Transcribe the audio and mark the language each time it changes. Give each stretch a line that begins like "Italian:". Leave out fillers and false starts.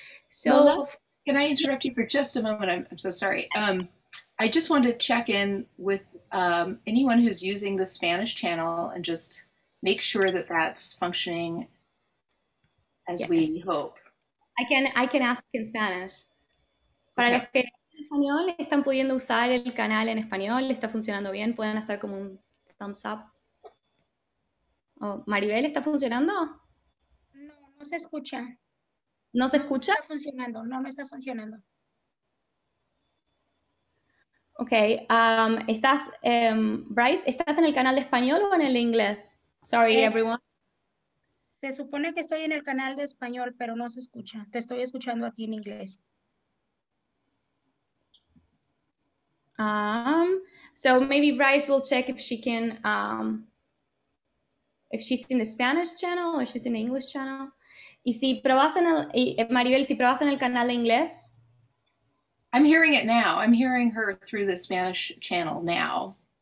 English: So can I interrupt you for just a moment? I'm so sorry. I just wanted to check in with anyone who's using the Spanish channel and just make sure that that's functioning as yes. We hope. I can ask in Spanish. Okay.
Spanish: Para los que en español están pudiendo usar el canal en español, está funcionando bien, pueden hacer como un
English: thumbs up.
Spanish: Oh, Maribel, ¿está funcionando? No se escucha. ¿No se escucha? Está funcionando, no me está funcionando.
English: Okay.
Spanish: Estás, Bryce, ¿estás en el canal de español o en el inglés?
English: Sorry, everyone.
Spanish: Se supone que estoy en el canal de español, pero no se escucha. Te estoy escuchando a ti en inglés.
English: So maybe Bryce will check if she can, if she's in the Spanish channel or she's in the English channel.
Spanish: Y si probas en el, Maribel, si probas en el canal de inglés.
English: I'm hearing it now. I'm hearing her through the Spanish channel now.